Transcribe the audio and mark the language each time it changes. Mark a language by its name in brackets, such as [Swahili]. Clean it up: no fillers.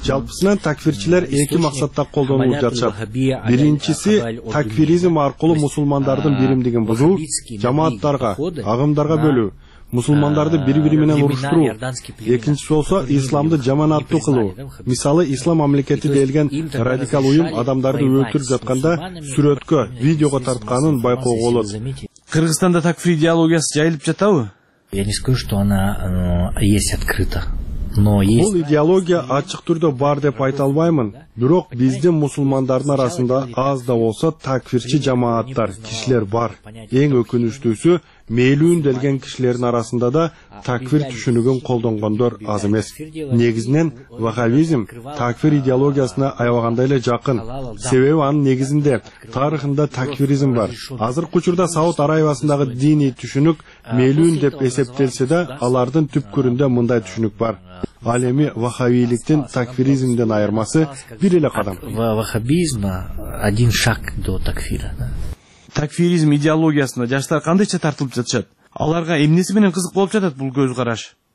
[Kyrgyz] Жалпысынан такфирчилер эки максатта колдонулуп жатышат. Биринчиси, такфиризм аркылуу мусулмандардын биримдигин бузуу, жамааттарга, агымдарга бөлүү, мусулмандарды бири-бири менен уруштуруу. Экинчиси болсо, исламды жаман аттуу кылуу. Мисалы, ислам мамлекети делген радикал уюм адамдарды өлтүрүп жатканда сүрөткө, видеого тартканын байкоого болот. Кыргызстанда такфир идеологиясы жайылып жатабы? [Russian] Я не скажу, что она есть открыто. Но [Kyrgyz] бұл идеология ачық түрде бар деп айта алмаймын. Бирок биздин мусулмандардын арасында аз да болсо такфирчи жамааттар, кишилер бар. Эң өкүнүчтүүсү мейлүүн делген кишилердин арасында да такфир түшүнүгүн колдонгондор аз эмес. Негизинен вахабизм такфир идеологиясына аябагандай эле жакын. Себеби анын негизинде тарыхында такфиризм бар. Азыркы учурда Сауд Арабиясындагы диний түшүнүк мейлүүн деп эсептелсе да, алардын түпкүрүндө мындай түшүнүк бар. Ал эми вахабиликтин такфиризмден айырмасы бир эле кадам. [Russian] Вахабизм один шаг до такфира. [Kyrgyz] Такфиризм идеологиясына жаштар кандайча тартылып жатышат? Аларга эмнеси менен кызык болуп жатат бул көз караш?